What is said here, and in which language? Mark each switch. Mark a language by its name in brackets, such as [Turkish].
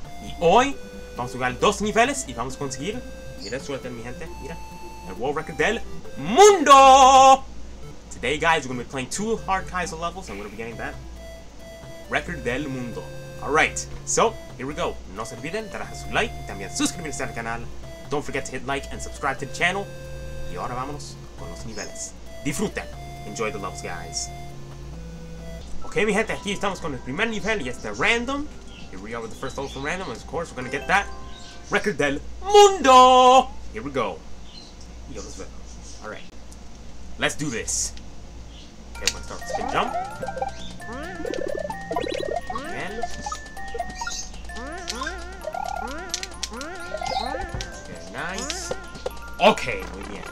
[Spanish] Y hoy vamos a jugar dos niveles y vamos a conseguir, mira suerte mi gente, mira, el [English] world record [Spanish] del mundo. [English] Today guys, we're going to be playing two hard kinds of levels, I'm going to be getting that record [Spanish] del mundo. [English] Alright, so here we go, [Spanish] no se olviden de dejar su like y también suscribirse al canal. [English] Don't forget to hit like and subscribe to the channel. [Spanish] Y ahora vámonos con los niveles. Disfruten. [English] Enjoy the levels, guys. [Spanish] Okay, mi gente, aquí estamos con el primer nivel. Y es de random. [English] Here we are with the first level from random. And of course, we're gonna get that record [Spanish] del mundo. [English] Here we go. [Spanish] Yo los veo. [English] Alright. Let's do this. Okay, we're gonna start with spin jump. And nice. Okay, [Spanish] muy bien.